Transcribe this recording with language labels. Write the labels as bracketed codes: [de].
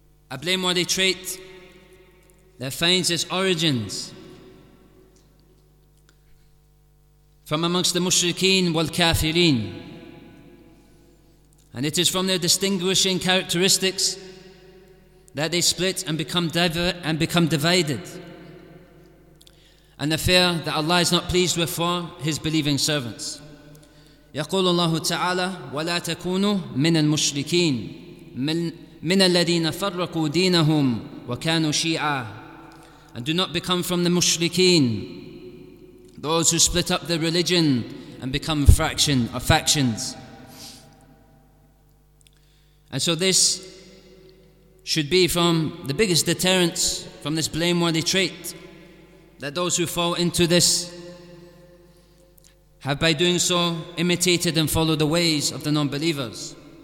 [en] A blameworthy trait that finds its origins from amongst the mushrikeen wal kafirin, and it is from their distinguishing characteristics that they split and become divided. And the fear that Allah is not pleased with for His believing servants. [ar] يقول الله تعالى ولا تكونوا من المشركين من الذين فرقوا دينهم وكانوا شيعة. [en] And do not become from the mushrikeen, those who split up their religion and become fraction or factions. And so this should be from the biggest deterrents from this blameworthy trait, that those who fall into this have by doing so imitated and followed the ways of the non-believers.